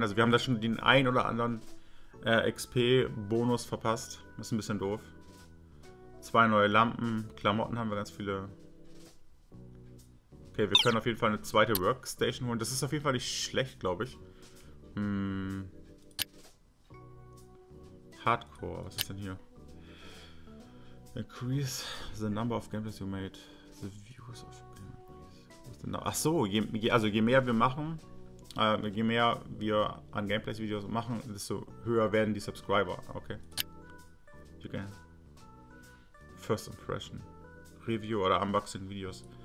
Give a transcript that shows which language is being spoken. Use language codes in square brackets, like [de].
[de] Also, wir haben da schon den ein oder anderen XP-Bonus verpasst. Ist ein bisschen doof. 2 neue Lampen, Klamotten haben wir ganz viele. Okay, wir können auf jeden Fall eine zweite Workstation holen. Das ist auf jeden Fall nicht schlecht, glaube ich. Hardcore, was ist denn hier? [en] Increase the number of gameplays you made. The views of gameplays. [de] Achso, je mehr wir machen, je mehr wir an Gameplays-Videos machen, desto höher werden die Subscriber. [en] Okay. You can. First Impression. [de] Review oder Unboxing-Videos.